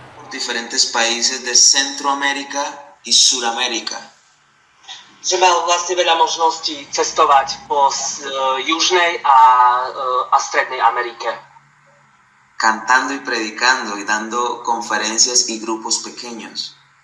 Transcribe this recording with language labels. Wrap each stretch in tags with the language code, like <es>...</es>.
<es>diferentes países de Centroamérica y Suramérica.</es> <sk>Že mal vlastne veľa možností cestovať po južnej a strednej Amerike.</sk> <es>Cantando y predicando y dando conferencias y grupos pequeños.</es>